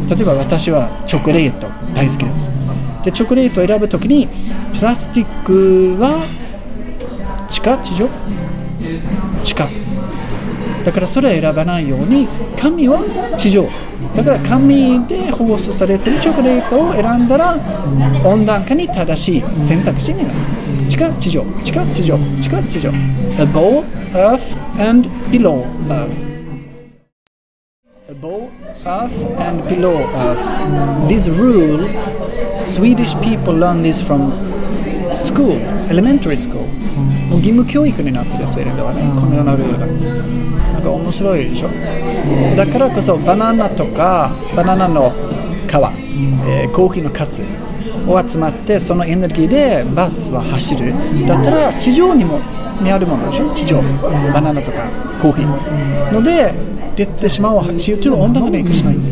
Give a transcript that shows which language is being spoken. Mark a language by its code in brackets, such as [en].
[ja] 例えば私はチョコレート大好きです。で、チョコレートを選ぶ時にプラスチックは地上だから、それを選ばないように、紙は地上だから、紙で包装されてるチョコレートを選んだら温暖化に正しい選択肢になる。地下地上 [en] above earth and below earth。 Above earth and below earth. This rule, Swedish people learn this from school, elementary school. [ja] もう義務教育になってるスウェーデンではね、このようなルールが。なんか面白いでしょ。だからこそバナナとかバナナの皮、コーヒーのカスを集まって、そのエネルギーでバスは走る。だったら地上にもにあるものでしょ、地上。バナナとかコーヒーので出てしまう CO2 の温暖化に影響しない。